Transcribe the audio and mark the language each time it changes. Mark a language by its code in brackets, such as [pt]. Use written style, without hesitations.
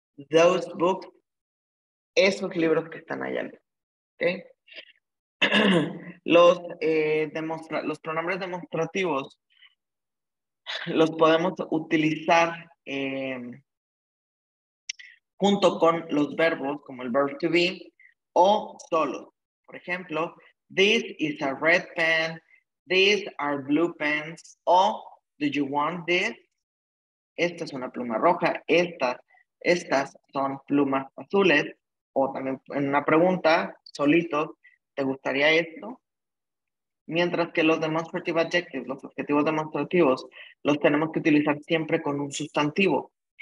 [en] Those books, [es] esos libros que están allá lejos. ¿Okay? Los pronombres demostrativos los podemos utilizar junto con los verbos, como el verb to be, o solo. Por ejemplo, [en] this is a red pen, these are blue pens, o do you want this? [es] Esta es una pluma roja, estas son plumas azules, o también en una pregunta, solito, ¿te gustaría esto? Mientras que los demonstrative adjectives, los adjetivos demostrativos, los tenemos que utilizar siempre con un sustantivo.